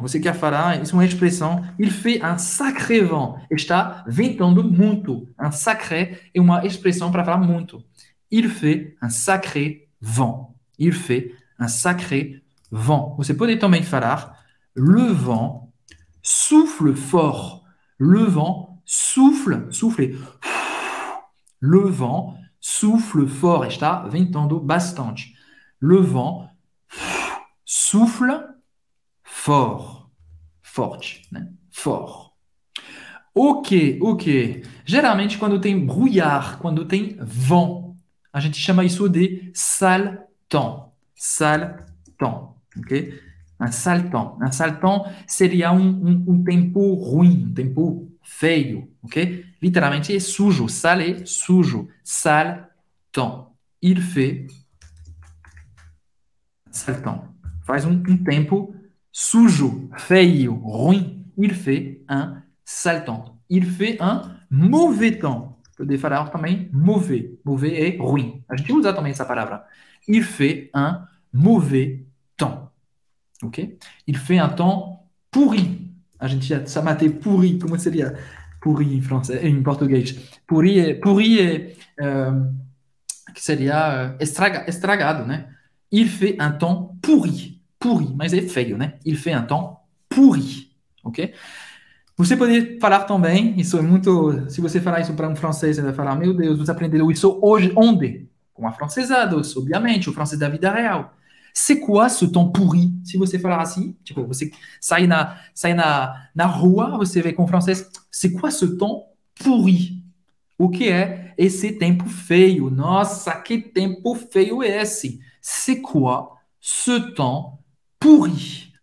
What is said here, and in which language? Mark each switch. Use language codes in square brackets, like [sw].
[pt] Você quer falar, isso é uma expressão. [fr] Il fait un sacré vent. [pt] Está ventando muito. Un sacré é uma expressão para falar muito. [fr] Il fait un sacré vent. Il fait un sacré vent. [pt] Você pode também falar, [fr] le vent souffle fort. Le vent souffle, soufflez. Le vent souffle fort. Et je t'ai [pt] vintando bastante. [fr] Le vent souffle fort. Forte. Fort. Ok. [pt] Geralmente, quando tem brouillard, quando tem vent, a gente chama isso de sale temps. [fr] Sale temps. Ok? Un sale temps. Un sale temps, [pt] seria un tempo ruim, un tempo feio. Ok? Literalmente, é sujo. Sale, sujo. Sale temps. [fr] Il fait sale temps. [pt] Faz un tempo sujo, feio, ruim. [fr] Il fait un sale temps. Il fait un mauvais temps. [pt] Poder falar também mauvais. Mauvais é ruim. A gente usa também essa palavra. [fr] Il fait un mauvais temps. Okay. Il fait un temps pourri. [pt] A gente já chamate [fr] pourri. [pt] Como seria pourri em français, em português? Pourri é que seria estragado, né? [fr] Il fait un temps pourri. Pourri, [pt] mas é feio, né? [fr] Il fait un temps pourri. [pt] Ok? Você pode falar também. Isso é muito. Se você falar isso para um francês, ele vai falar: Meu Deus, você aprendeu isso hoje, onde? Com a francesada, obviamente, o francês da vida real. [fr] C'est quoi ce temps pourri? Si vous savez parler ainsi, [pt] tipo, você sai na rua, você vê com francês, [fr] c'est quoi ce temps pourri? [pt] O que é esse tempo feio? Nossa, que tempo feio é esse? [fr] C'est quoi ce temps pourri?